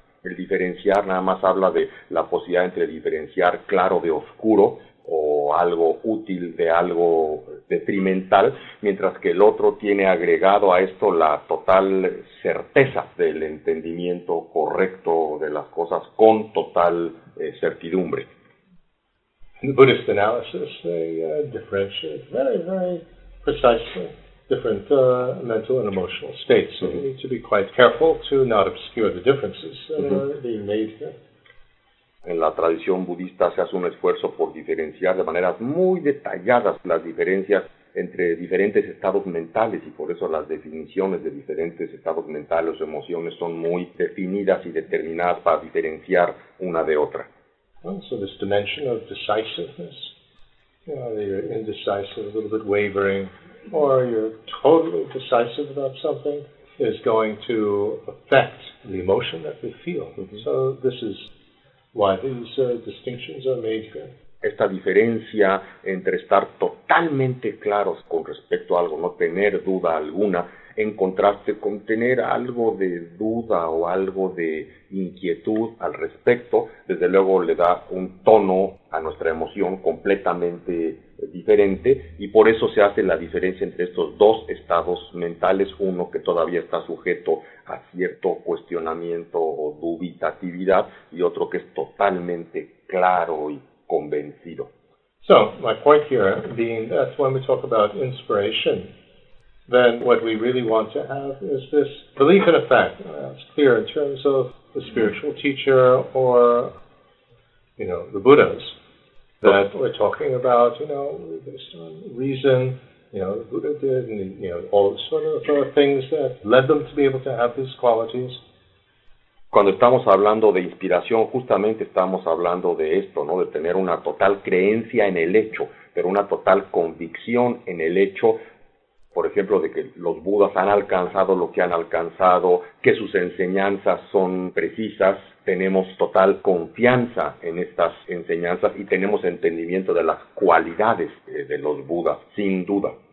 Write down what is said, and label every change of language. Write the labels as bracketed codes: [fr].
[es] El diferenciar nada más habla de la posibilidad entre diferenciar claro de oscuro, o algo útil de algo detrimental, mientras que el otro tiene agregado a esto la total certeza del entendimiento correcto de las cosas con total certidumbre. [en] In the Buddhist analysis, they differentiate very, very precisely different mental and emotional states. So we need to be quite careful to not obscure the differences that are being made here. [es] En la tradición budista se hace un esfuerzo por diferenciar de maneras muy detalladas las diferencias entre diferentes estados mentales, y por eso las definiciones de diferentes estados mentales o emociones son muy definidas y determinadas para diferenciar una de otra. [en] So this dimension of decisiveness, you know, you're indecisive, a little bit wavering, or you're totally decisive about something, is going to affect the emotion that we feel. So this is Why these distinctions are made here? [es] Esta diferencia entre estar totalmente claros con respecto a algo, no tener duda alguna, en contraste con tener algo de duda o algo de inquietud al respecto, desde luego le da un tono a nuestra emoción completamente diferente, y por eso se hace la diferencia entre estos dos estados mentales, uno que todavía está sujeto a cierto cuestionamiento o dubitatividad, y otro que es totalmente claro y convencido. [en] So, my point here being that when we talk about inspiration, then what we really want to have is this belief in a fact. It's clear in terms of the spiritual teacher or, you know, the Buddhas, that we're talking about, you know, based on reason, you know, the Buddha did, and, you know, all sort of things that led them to be able to have these qualities. [es] Cuando estamos hablando de inspiración, justamente estamos hablando de esto, ¿no? De tener una total creencia en el hecho, pero una total convicción en el hecho, por ejemplo, de que los Budas han alcanzado lo que han alcanzado, que sus enseñanzas son precisas, tenemos total confianza en estas enseñanzas y tenemos entendimiento de las cualidades de los Budas, sin duda.